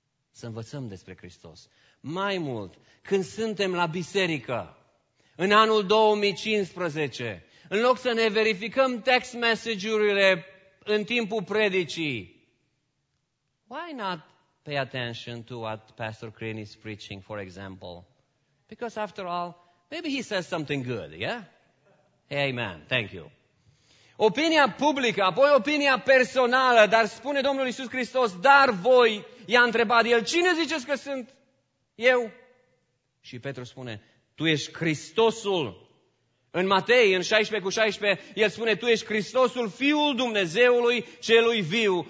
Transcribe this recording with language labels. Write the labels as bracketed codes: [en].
[ro] Să învățăm despre Hristos. Mai mult, când suntem la biserică, în anul 2015, în loc să ne verificăm text message-urile în timpul predicii, [en] why not pay attention to what Pastor Crini is preaching, for example? Because after all, maybe he says something good, yeah? Amen, thank you. [ro] Opinia publică, apoi opinia personală, dar spune Domnul Iisus Hristos, dar voi, i-a întrebat el, cine ziceți că sunt eu? Și Petru spune, tu ești Hristosul. În Matei, în 16:16, el spune, tu ești Hristosul, Fiul Dumnezeului celui viu.